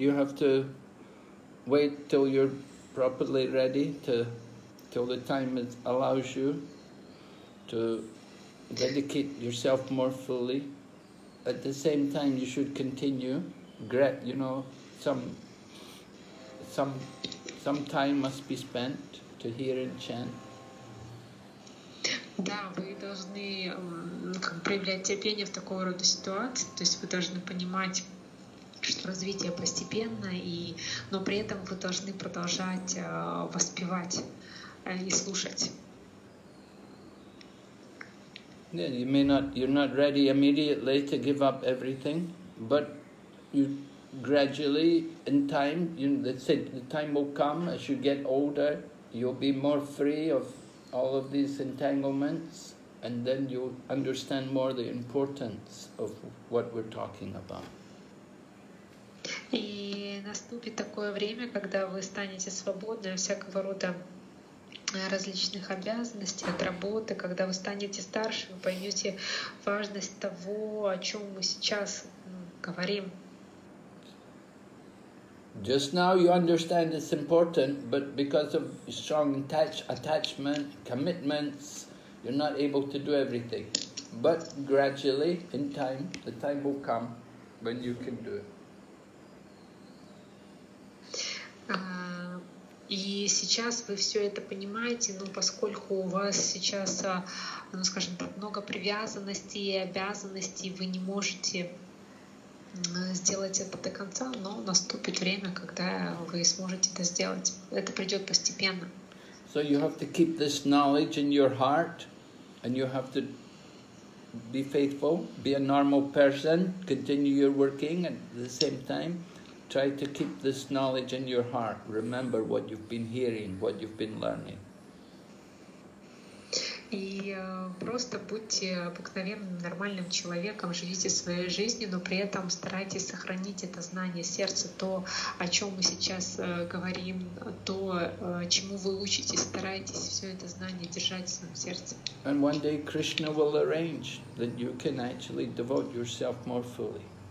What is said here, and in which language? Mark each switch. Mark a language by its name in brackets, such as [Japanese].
[English] You have to wait till you're properly ready, to till the time it allows you to dedicate yourself more fully. At the same time, you should continue. You know, some time must be spent to hear and chant. [Russian] Да, вы должны как проявлять терпение в такого рода ситуации, то есть вы должны понимать, что развитие постепенно, и но при этом вы должны продолжать воспевать и слушать. [English] Yeah, you're not ready immediately to give up everything, but you gradually, in time, you know, they said the time will come as you get older, you'll be more free of all of these entanglements, and then you'll understand more the importance of what we're talking about. [Russian] И наступит такое время, когда вы станете свободны от всякого рода различных обязанностей, от работы, когда вы станете старше, вы поймете важность того, о чем мы сейчас говорим. [English] Just now you understand it's important, but because of strong attachment, commitments, you're not able to do everything. But gradually, in time, the time will come when you can do it. [Russian] И сейчас вы все это понимаете, но поскольку у вас сейчас, ну скажем так, много привязанностей и обязанностей, вы не можете сделать это до конца, но наступит время, когда вы сможете это сделать. Это придет постепенно. [English] So you have to keep this knowledge in your heart, and you have to be faithful, be a normal person, continue your working, and at the same time, try to keep this knowledge in your heart. Remember what you've been hearing, what you've been learning. [Russian] И просто будьте обыкновенным, нормальным человеком, живите своей жизнью, но при этом старайтесь сохранить это знание сердца, то, о чем мы сейчас говорим, то, чему вы учитесь, старайтесь все это знание держать в своем сердце. [English] And one day Krishna will arrange that you can actually devote yourself more fully.